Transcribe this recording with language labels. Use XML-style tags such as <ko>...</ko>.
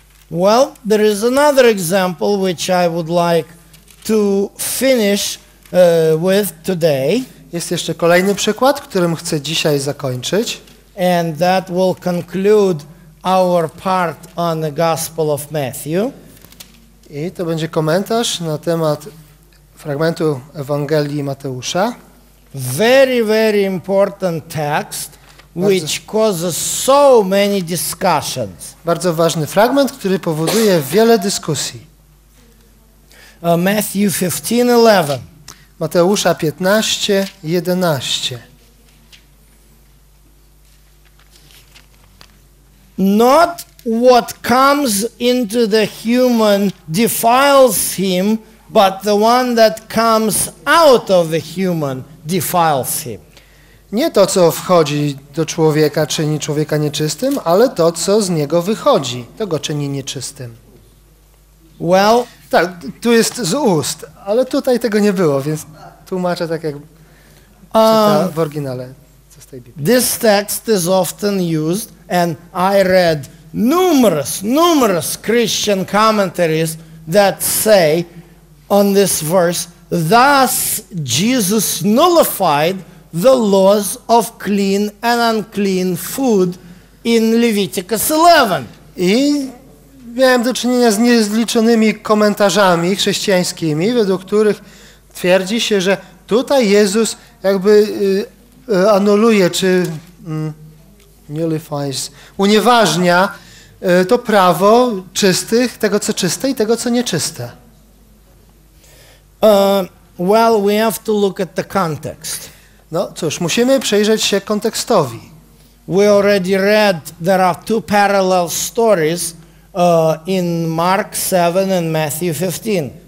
<en>Well, there is another example which I would like to finish with today.</en> <pl>Jest jeszcze kolejny przykład, którym chcę dzisiaj zakończyć.</pl> <en>And that will conclude our part on the Gospel of Matthew.</en> <pl>I to będzie komentarz na temat fragmentu Ewangelii Mateusza.</pl> <en>Very, very important text, which causes so many discussions.</en> <pl>Bardzo ważny fragment, który powoduje wiele dyskusji.</pl> <en>Matthew 15:11.</en> <pl>Mateusza 15:11.</pl> <en>Not what comes into the human defiles him, but the one that comes out of the human defiles him.</en> <pl>Nie to, co wchodzi do człowieka, czyni człowieka nieczystym, ale to, co z niego wychodzi, to go czyni nieczystym.</pl> <en>Well,</en> <pl>tak, tu jest z ust, ale tutaj tego nie było, więc tłumaczę tak, jak czyta w oryginale.</pl> <en>This text is often used, and I read numerous Christian commentaries that say on this verse, thus Jesus nullified the laws of clean and unclean food in Leviticus 11.</en> <pl>I miałem do czynienia z niezliczonymi komentarzami chrześcijańskimi, według których twierdzi się, że tutaj Jezus jakby anuluje, czy nullifies, unieważnia to prawo czystych, tego co czyste i tego co nieczyste.</pl> <en>Well, we have to look at the context.</en> <pl>No cóż, musimy przyjrzeć się kontekstowi.</pl> <en>We already read there are two parallel stories in Mark 7 and Matthew 15.</en>